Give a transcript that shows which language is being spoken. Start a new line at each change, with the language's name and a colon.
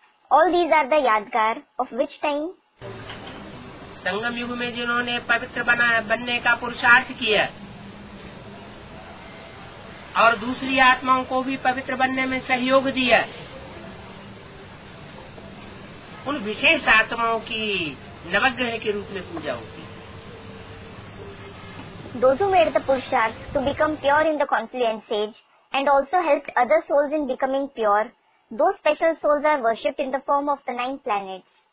English: All these are the yadgar of which time?
Hindi: संगम युग में जिन्होंने पवित्र बनने का पुरुषार्थ किया और दूसरी आत्माओं को भी पवित्र बनने में सहयोग दिया, उन विशेष आत्माओं की नवग्रह के रूप में पूजा होती है.
English: Those who made the purusharth to become pure in the confluent stage and also helped other souls in becoming pure, those special souls are worshipped in the form of the nine planets.